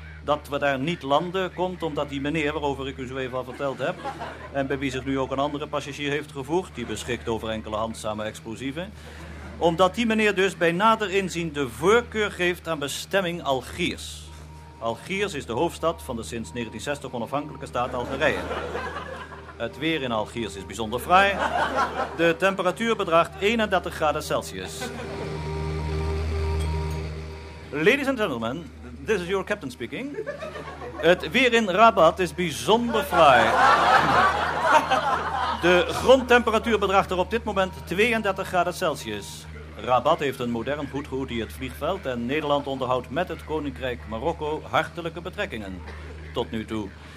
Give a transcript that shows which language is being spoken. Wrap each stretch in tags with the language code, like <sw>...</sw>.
<nl>Dat we daar niet landen komt omdat die meneer waarover ik u zo even al verteld heb en bij wie zich nu ook een andere passagier heeft gevoegd, die beschikt over enkele handzame explosieven, omdat die meneer dus bij nader inzien de voorkeur geeft aan bestemming Algiers. Algiers is de hoofdstad van de sinds 1960 onafhankelijke staat Algerije. Het weer in Algiers is bijzonder fraai. De temperatuur bedraagt 31 graden Celsius.</nl> <en>Ladies and gentlemen, this is your captain speaking.</en> <nl>Het weer in Rabat is bijzonder fraai. De grondtemperatuur bedraagt er op dit moment 32 graden Celsius. Rabat heeft een modern goed geoutilleerd vliegveld en Nederland onderhoudt met het Koninkrijk Marokko hartelijke betrekkingen. Tot nu toe.</nl>